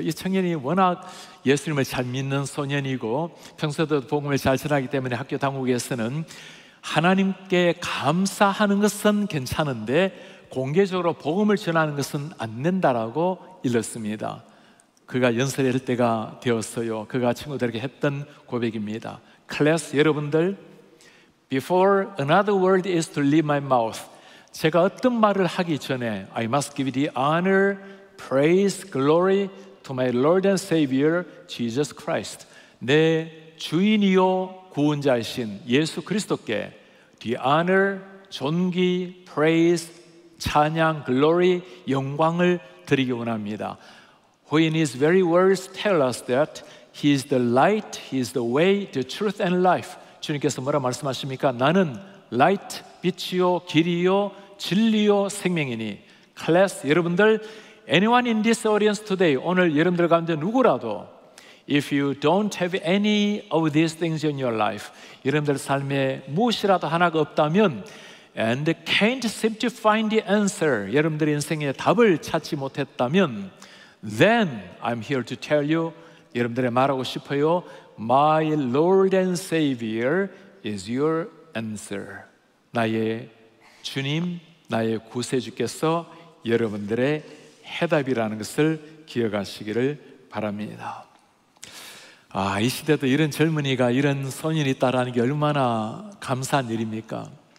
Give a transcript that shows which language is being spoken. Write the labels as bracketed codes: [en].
[ko] 이 청년이 워낙 예수님을 잘 믿는 소년이고 평소에도 복음을 잘 전하기 때문에 학교 당국에서는 하나님께 감사하는 것은 괜찮은데 공개적으로 복음을 전하는 것은 안 된다라고 일렀습니다. 그가 연설할 때가 되었어요. 그가 친구들에게 했던 고백입니다. 클래스 여러분들, [en] Before another word is to leave my mouth, [ko] 제가 어떤 말을 하기 전에 [en] I must give the honor, praise, glory to my Lord and Savior, Jesus Christ. [ko] 내 주인이요 구원자이신 예수 그리스도께 [en] the honor, [ko] 존귀, praise, 찬양, glory, 영광을 드리기 원합니다. [en] When his very words tell us that he is the light, he is the way, the truth and life. [ko] 주님께서 뭐라 말씀하십니까? 나는 light, 빛이요, 길이요, 진리요, 생명이니. [en] Class, 여러분들, anyone in this audience today, [ko] 오늘 여러분들 가운데 누구라도 [en] if you don't have any of these things in your life, [ko] 여러분들 삶에 무엇이라도 하나가 없다면 [en] and can't seem to find the answer, [ko] 여러분들 인생의 답을 찾지 못했다면 [en] then I'm here to tell you, [ko] 여러분들의 말하고 싶어요. [en] My Lord and Savior is your answer. [ko] 나의 주님, 나의 구세주께서 여러분들의 해답이라는 것을 기억하시기를 바랍니다. 아, 이 시대도 이런 젊은이가 이런 소년이 있다라는 게 얼마나 감사한 일입니까?